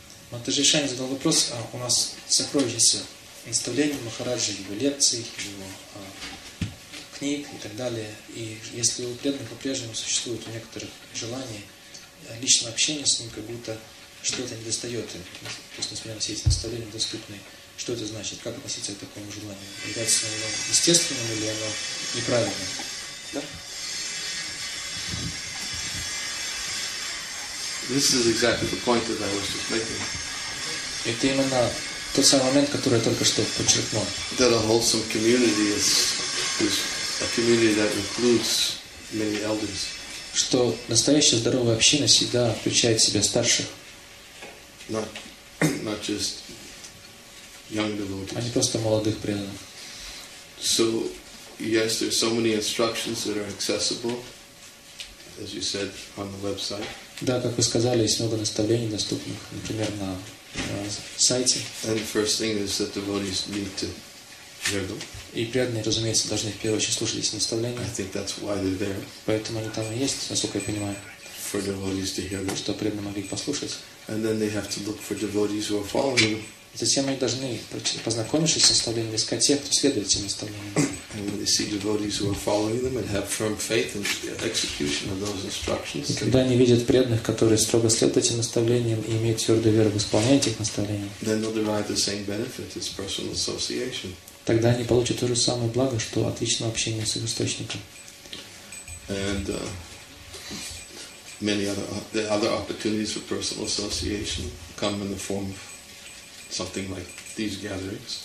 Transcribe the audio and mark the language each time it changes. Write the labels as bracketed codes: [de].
[ru] Матаджи Шани задал вопрос, а у нас сокровищница наставления Махараджи, его лекций, его книг и так далее. И если у преданных по-прежнему существует у некоторых желание личном общении с ним как будто что-то не достает им. То есть, несмотря на все эти наставления доступные, что это значит, как относиться к такому желанию? Является оно естественным или оно неправильным? Да? [en] This is exactly the point that I was just making. [ru] Это именно тот самый момент, который я только что подчеркнул. [en] That a wholesome community is a community that includes many elders. [ru] Что настоящая здоровая община всегда включает в себя старших. [en] Not just young devotees. [ru] А не просто молодых преданных. [en] So yes, there's so many instructions that are accessible, as you said, on the website. [ru] Да, как вы сказали, есть много наставлений доступных, например, на сайте. [en] And the first thing is that devotees need to hear them. [ru] И преданные, разумеется, должны в первую очередь слушать эти наставления. [en] I think that's why they're there. [ru] Поэтому они там и есть, насколько я понимаю. [en] For devotees to hear them. [ru] Чтобы преданные могли их послушать. [en] And then they have to look for devotees who are following them. [ru] Затем они должны, познакомившись с наставлениями, искать тех, кто следует этим наставлениям. [en] And when they see devotees who are following them and have firm faith in the execution of those instructions. [ru] Когда они видят преданных, которые строго следуют этим наставлениям и имеют твердую веру в исполнении этих наставлений. [en] Then they'll derive the same benefit as personal association. [ru] Тогда они получат то же самое благо, что от личного общения с их источником. [en] And many other opportunities for personal association come in the form of something like these gatherings.